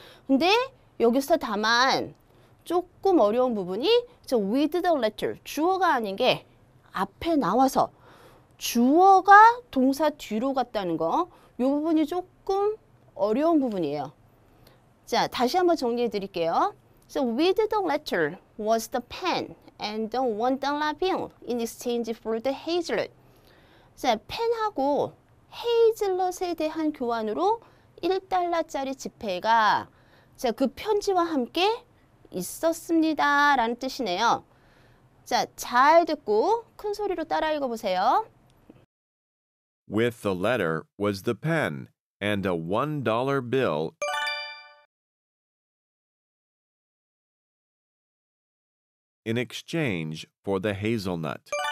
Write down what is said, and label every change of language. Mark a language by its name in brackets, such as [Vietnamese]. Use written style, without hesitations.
[Korean] 근데 여기서 다만 조금 어려운 부분이 [English] so with the letter. [Korean] 주어가 아닌 게 앞에 나와서 주어가 동사 뒤로 갔다는 거. 요 부분이 조금 어려운 부분이에요. 자, 다시 한번 정리해 드릴게요. [English] So with the letter was the pen and the $1 bill in exchange for the hazelnut. [Korean] 자, 펜하고 헤이즐넛에 대한 교환으로 1달러짜리 지폐가 자, 그 편지와 함께 있었습니다. 라는 뜻이네요. 자, 잘 듣고 큰 소리로 따라 읽어보세요. [English] With the letter was the pen and a $1 bill. In exchange for the hazelnut.